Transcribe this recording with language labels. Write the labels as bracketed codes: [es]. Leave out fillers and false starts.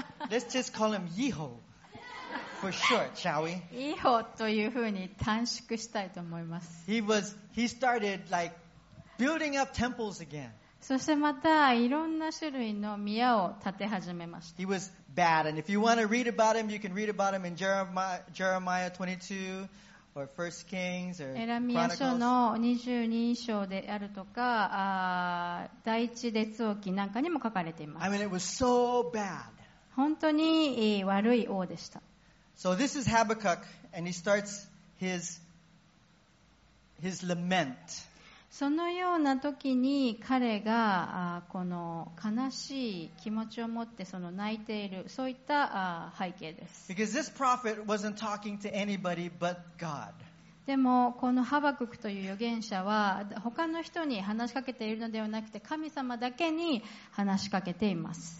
[en] Let's just call him Yeho for short, shall we? [ja] Yeho というふうに短縮したいと思います。 [en] He started like building up temples again. [ja] そしてまたいろんな種類の宮を建て始めました。 [en] He was bad, and if you want to read about him, you can read about him in Jeremiah 22. Or First Kings or [ja] エラミヤ書の22章であるとか、第一列王記なんかにも書かれています。 [en] I mean, it was so bad. [ja] 本当に悪い王でした。 [en] So this is Habakkuk, and he starts his lament. [ja] そのような時に彼がこの悲しい気持ちを持ってその泣いている、そういった背景です。 [en] Because this prophet wasn't talking to anybody but God. [ja] でもこのハバククという預言者は他の人に話しかけているのではなくて神様だけに話しかけています。